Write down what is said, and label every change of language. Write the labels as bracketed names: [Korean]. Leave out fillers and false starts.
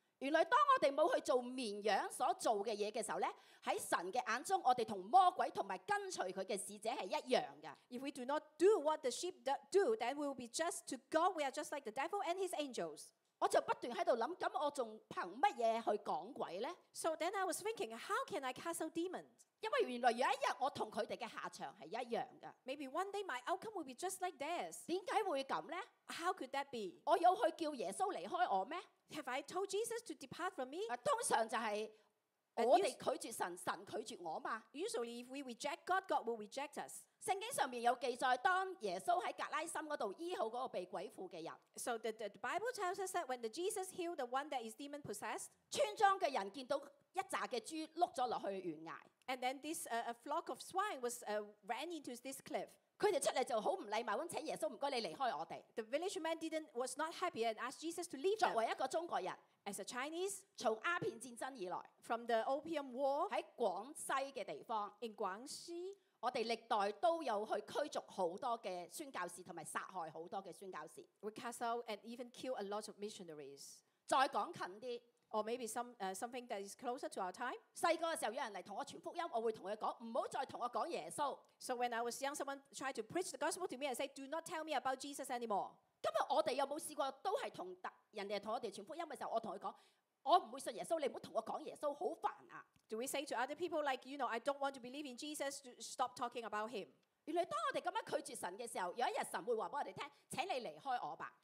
[Cantonese] 原來當我哋冇去做綿羊所做嘅嘢嘅時候咧，喺神嘅眼中，我哋同魔鬼同埋跟隨佢嘅使者係一樣嘅。 [English] If we do not do what the sheep do, then we will be just to God. We are just like the devil and his angels. [Cantonese] 我就不斷喺度諗，咁我仲憑乜嘢去趕鬼咧 [English] ？So then I was thinking, how can I cast out demons? [Cantonese] 因為原來有一日我同佢哋嘅下場係一樣嘅。 [English] Maybe one day my outcome will be just like theirs. [Cantonese] 點解會咁咧 [English] ？How could that be? [Cantonese] 我有去叫耶穌離開我咩？ [English] Have I told Jesus to depart from me? [Cantonese] 通常就係我哋拒絕神，神拒絕我嘛。 [English] Usually, if we reject God, God will reject us. [Cantonese] 圣经上面有记载，当耶稣喺格拉森嗰度医好嗰个被鬼附嘅人。 [English] So the Bible tells us that when the Jesus healed the one that is demon possessed， [Cantonese] 村庄嘅人见到一扎嘅猪碌咗落去悬崖。 [English] And then this a flock of swine was ran into this cliff。 [Cantonese] 佢哋出嚟就好唔礼貌咁请耶稣，唔该你离开我哋。 [English] The village man was not happy and asked Jesus to leave。 [Cantonese] 作为一个中国人。 [English] As a Chinese， [Cantonese] 从鸦片战争以来 [English] ，from the Opium War， [Cantonese] 喺广西嘅地方 [English] ，in 广西， [Cantonese] 我哋历代都有去驱逐好多嘅宣教士，同埋杀害好多嘅宣教士。 [English] We cast out and even kill a lot of missionaries。 [Cantonese] 再讲近啲 [English] ，or maybe something that is closer to our time。 [Cantonese] 细个嘅时候，有人嚟同我传福音，我会同佢讲，唔好再同我讲耶稣。 [English] So when I was young, someone tried to preach the gospel to me and say, "Do not tell me about Jesus anymore." [Cantonese] 今日我哋有冇试过都系同人哋同我哋传福音嘅时候，我同佢讲，我唔会信耶稣，你唔好同我讲耶稣，好烦啊 [English] ！Do we say to other people like you know I don't want to believe in Jesus? Stop talking about him。 [Cantonese] 原来当我哋咁样拒绝神嘅时候，有一日神会话俾我哋听，请你离开我吧。